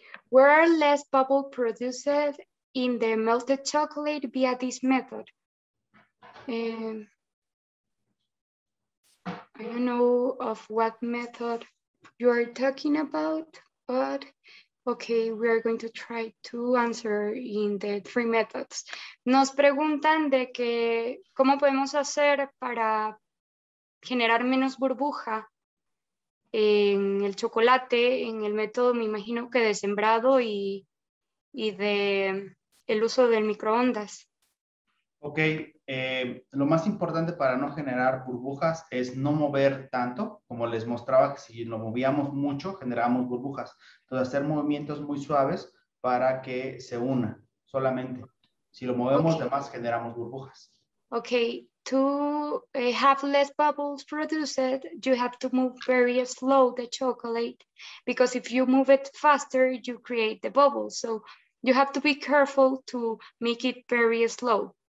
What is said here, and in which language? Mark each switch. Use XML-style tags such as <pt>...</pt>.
<en>Where are less bubbles produced in the melted chocolate via this method? I don't know of what method you are talking about, but okay, we are going to try to answer in the three methods.</en> <es>Nos preguntan de que cómo podemos hacer para generar menos burbuja en el chocolate, en el método, me imagino que de sembrado y de el uso del microondas. Ok, lo más importante para no generar burbujas es no mover tanto, como les mostraba que si lo movíamos mucho, generábamos burbujas. Entonces, hacer movimientos muy suaves para que se una solamente. Si lo movemos de más, generamos burbujas.</es> <en>Ok, to have less bubbles produced, you have to move very slow the chocolate, because if you move it faster, you create the bubbles. So, you have to be careful to make it very slow.</en>